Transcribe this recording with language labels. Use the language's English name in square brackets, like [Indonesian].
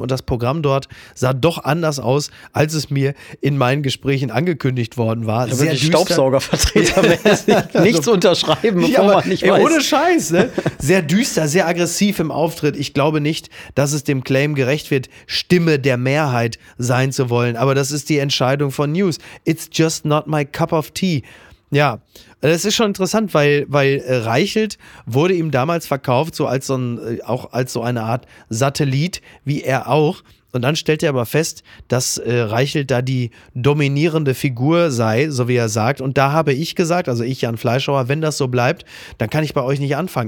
[German] Und das Programm dort sah doch anders aus, als es mir in meinen Gesprächen angekündigt worden war. Da würde ich Staubsaugervertreter-mäßig nichts unterschreiben, bevor man nicht weiß. Ohne Scheiß. Ne? Sehr düster, sehr aggressiv im Auftritt. Ich glaube nicht, dass es dem Claim gerecht wird, Stimme der Mehrheit sein zu wollen. Aber das ist die Entscheidung von News. [English] It's just not my cup of tea. [German] Ja, das ist schon interessant, weil Reichelt wurde ihm damals verkauft, so als so ein, auch als so eine Art Satellit, wie er auch. Und dann stellt er aber fest, dass Reichelt da die dominierende Figur sei, so wie er sagt. Und da habe ich gesagt, also ich, Jan Fleischauer, wenn das so bleibt, dann kann ich bei euch nicht anfangen.